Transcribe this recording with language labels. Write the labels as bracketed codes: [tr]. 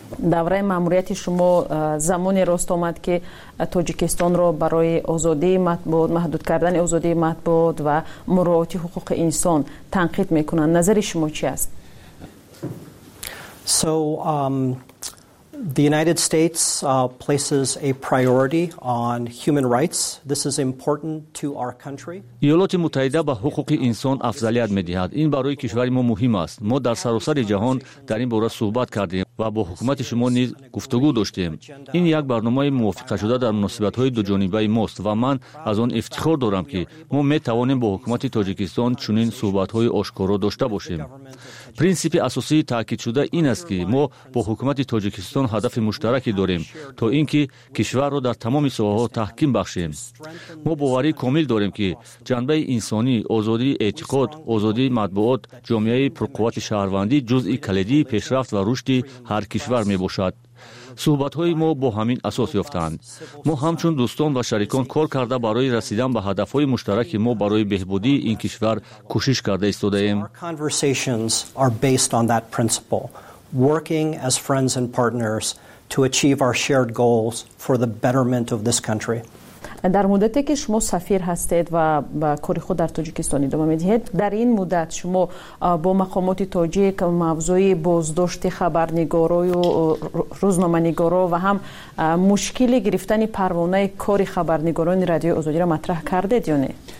[fa] دوره ماموریت شما زمانی راست آمد که تاجیکستان را برای آزادی مطبوعات، محدود کردن آزادی مطبوعات و مراعات حقوق انسان تنقید میکنند. نظر شما چی است؟ [en] The United States places a priority on human rights. This is important to our country. [fa] ایالات متحده به حقوق انسان افضلیت می‌دهد. این برای کشور ما مهم است. ما در سراسر جهان در این باره صحبت کردیم. و با حکومت شما نیز گفتگو داشتیم. این یک برنامه موافقه شده در مناسبت های دو جانبه ماست و من از آن افتخار دارم که ما می توانیم با حکومت تاجیکستان چنین صحبت های آشکارا داشته باشیم. پرینسیپ اساسی تاکید شده این است که ما با حکومت تاجیکستان هدف مشترکی داریم تا اینکه کشور را در تمام ساحه ها تحکیم بخشیم. ما باوری کامل داریم که جنبه انسانی، آزادی اعتقاد، آزادی مطبوعات، جامعه پرقوت شهروندی جزئی کلیدی پیشرفت و رشد هر کشور می باشد. صحبت های ما با همین اساس یافتند. ما همچون دوستان و شریکان کار کرده برای رسیدن به هدف های مشترک ما برای بهبودی این کشور کوشش کرده استوده ایم. [en] Working as friends and partners to achieve our shared goals for the betterment of this country. [fa] در مدتی که شما سفیر هستید و با کار خود در تاجیکستان ادامه میدهید، در این مدت شما با مقامات تاجیک موضوع بازداشت خبرنگارای و روزنامه‌نگارای و هم مشکل گرفتن پروانه کار خبرنگاران رادیو آزادی را مطرح کردید یا نه؟